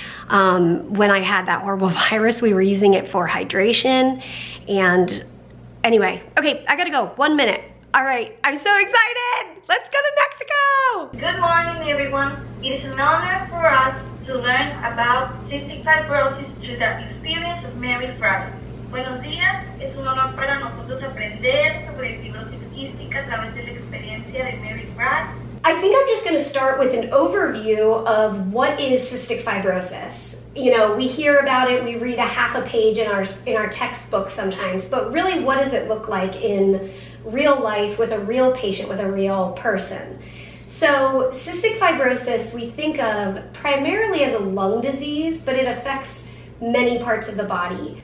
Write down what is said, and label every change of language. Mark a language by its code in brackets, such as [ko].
[en] When I had that horrible virus, we were using it for hydration. And anyway, okay, I gotta go, 1 minute. All right, I'm so excited. Let's go to Mexico. Good morning, everyone. It is an honor for us to learn about cystic fibrosis through the experience of Mary Frey. [es] Buenos días, es un honor para nosotros aprender sobre fibrosis quística a través de la experiencia de Mary Frey. [en] I think I'm just gonna start with an overview of what is cystic fibrosis. You know, we hear about it, we read a half a page in our textbook sometimes, but really what does it look like in real life with a real patient, with a real person? So cystic fibrosis we think of primarily as a lung disease, but it affects many parts of the body.